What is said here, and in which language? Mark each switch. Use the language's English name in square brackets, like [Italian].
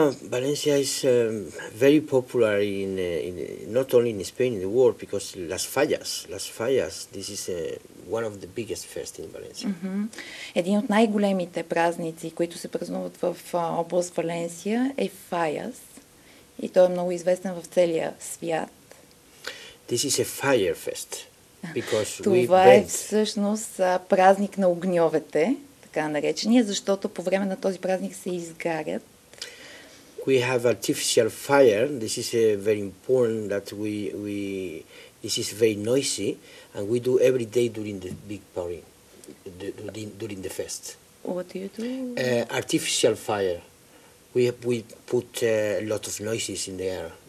[English] Valencia is very popular in not only in Spain, in the world, because Las Fallas, this is one of the biggest fest in Valencia. Mm-hmm. [Bulgarian] Един от най-големите празници, които се празнуват в област Валенсия, е Fallas, и той е много известен в целия свят. [English] This is a fire fest, because [Bulgarian] това е всъщност празник на огньовете, така наречения, защото по време на този празник се изгарят. [English] We have artificial fire. This is very important that we this is very noisy and we do every day during the big party, during the fest. What do you do? Artificial fire. We put a lot of noises in the air.